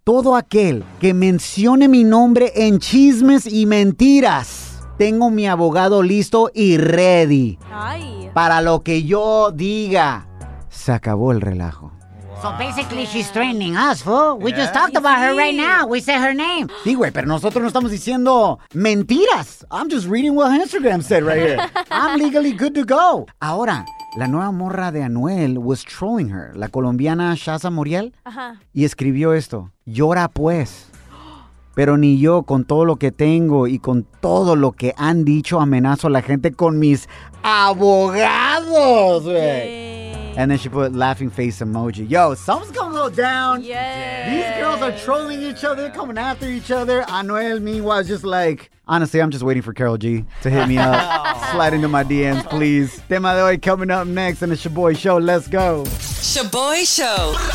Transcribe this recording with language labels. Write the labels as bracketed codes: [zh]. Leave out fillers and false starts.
[es] Todo aquel que mencione mi nombre en chismes y mentiras, tengo mi abogado listo y ready. Ay. Para lo que yo diga. Se acabó el relajo. [en] So basically she's threatening us, fool. We just talked about her right now. We said her name. [es] Sí, güey, pero nosotros no estamos diciendo mentiras. [en] I'm just reading what Instagram said right here. I'm legally good to go. [es] Ahora, la nueva morra de Anuel [en] was trolling her, [es] la colombiana Shaza Muriel, y escribió esto. Llora pues, Pero ni yo, con todo lo que tengo y con todo lo que han dicho, amenazo a la gente con mis abogados, güey. [en] And then she put laughing face emoji. Yo, something's gonna go down. Yes. These girls are trolling each other, coming after each other. Anuel, meanwhile, is just like, honestly, I'm just waiting for Carol G to hit me up. Slide into my DMs, please. [es] Tema de hoy [en] coming up next in the Shaboy Show. Let's go. Shaboy Show.